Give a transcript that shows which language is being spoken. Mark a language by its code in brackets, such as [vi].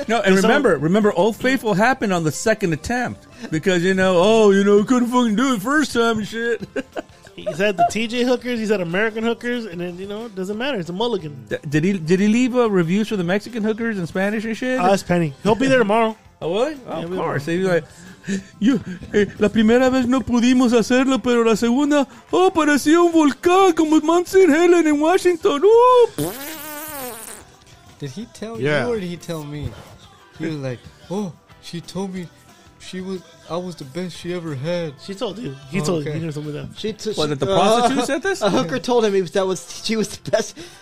[en] No, and remember, Old Faithful happened on the second attempt. Because, you know, couldn't fucking do it first time and shit. He's had the TJ hookers. He's had American hookers. And then, you know, it doesn't matter. It's a mulligan. Did he leave reviews for the Mexican hookers and Spanish and shit? Oh, that's Penny. He'll be there tomorrow. Oh, will he? Oh, yeah, of course. He's like... [es] Yo, la primera vez no pudimos hacerlo, pero la segunda, oh, parecía un volcán como Mount St. [en] Helens in Washington. Oh. Did he tell you or did he tell me? He was like, "Oh, she told me I was the best she ever had." She told you. He told you. He knew something like that. Did the prostitute said this? A hooker told him she was the best.